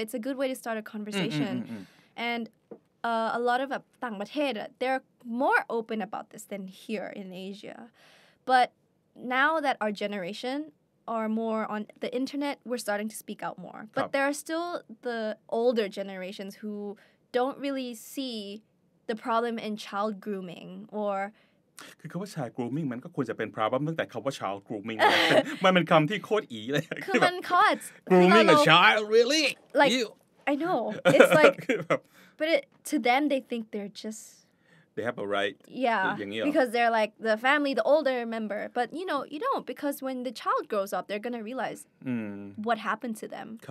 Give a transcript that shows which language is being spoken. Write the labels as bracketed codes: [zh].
[en] It's a good way to start a conversation. And a lot of [th] ต่างประเทศ [en] they're more open about this than here in Asia. But now that our generation are more on the internet, we're starting to speak out more. But there are still the older generations who don't really see the problem in child grooming or... [th] คือคำว่า child grooming มันก็ควรจะเป็น problem ตั้งแต่คำว่า child grooming มันเป็นคำที่โคตรอีเลย คือมันเขาอาจ [en] grooming a child, really? Like, I know. It's like... but to them, they think they're just... They have a right. Yeah, because they're like the family, the older member. But, you know, you don't. Because when the child grows up, they're going to realize what happened to them.